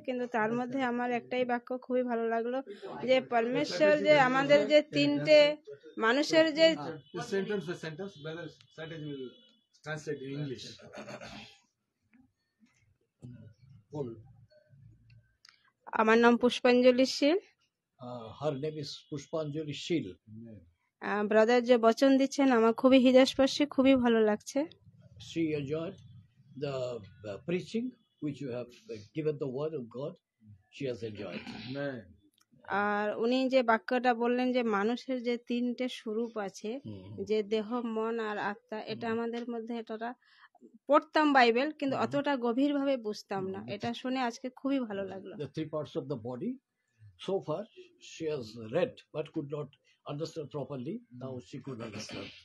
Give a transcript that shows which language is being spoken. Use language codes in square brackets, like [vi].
[bn] কিন্তু তার মধ্যে আমার একটাই বাক্য খুবই ভালো লাগলো, যে পরমেশ্বর যে আমাদের যে তিনটে মানুষের যে আমার নাম পুষ্পাঞ্জলি শীল, [en] Her name is Pushpanjali Shil. [bn] ব্রাদার যে বচন দিচ্ছেন আমার খুবই হৃদয়স্পর্শী, খুবই ভালো লাগছে। [en] She enjoyed the preaching which you have given the word of God. She has enjoyed. [bn] আর উনি যে বাক্যটা বললেন যে মানুষের যে তিনটে স্বরূপ আছে, যে দেহ মন আর আত্মা, এটা আমাদের মধ্যে এটা পড়তাম বাইবেল কিন্তু অতটা গভীর ভাবে বুঝতাম না, এটা শুনে আজকে খুবই ভালো লাগলো। [en] The three parts of the body, so far she has read but could not understand properly. Now she could understand.